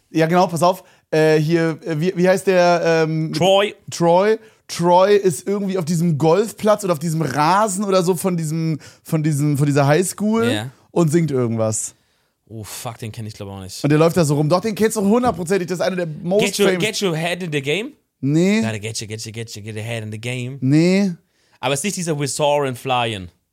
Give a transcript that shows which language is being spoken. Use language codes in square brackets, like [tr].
[de] Ja, genau, pass auf. Wie heißt der? Troy. Troy ist irgendwie auf diesem Golfplatz oder auf diesem Rasen oder so von dieser Highschool und singt irgendwas. Oh fuck, den kenne ich glaube auch nicht. Und der läuft da so rum. Doch, den kennst du hundertprozentig. Das ist einer der most famous. [en] Get your head in the game? [de] Nee. [en] Gotta get you, get your head in the game. [de] Nee. Aber es ist nicht dieser We're Soaring Flying.